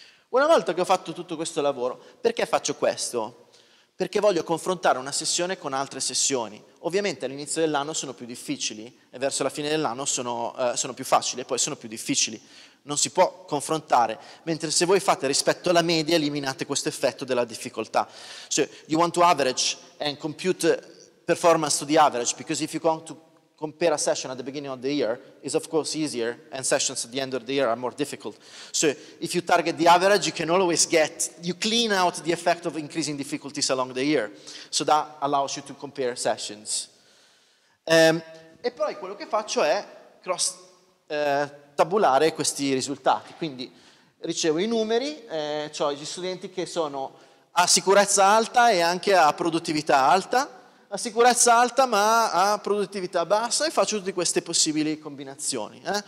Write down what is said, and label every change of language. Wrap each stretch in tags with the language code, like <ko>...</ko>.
<it>Una volta che ho fatto tutto questo lavoro, perché faccio questo? Perché voglio confrontare una sessione con altre sessioni. Ovviamente all'inizio dell'anno sono più difficili e verso la fine dell'anno sono più facili e poi sono più difficili. Non si può confrontare, mentre se voi fate rispetto alla media eliminate questo effetto della difficoltà.</it> <en>So, you want to average and compute performance to the average, because if you want to compare a session at the beginning of the year, it's of course easier, and sessions at the end of the year are more difficult. So if you target the average, you can always get, you clean out the effect of increasing difficulties along the year. So that allows you to compare sessions.</en> <it>E poi quello che faccio è cross-tabulare questi risultati. Quindi ricevo i numeri, cioè gli studenti che sono a sicurezza alta e anche a produttività alta, a sicurezza alta ma a produttività bassa, e faccio tutte queste possibili combinazioni.</it>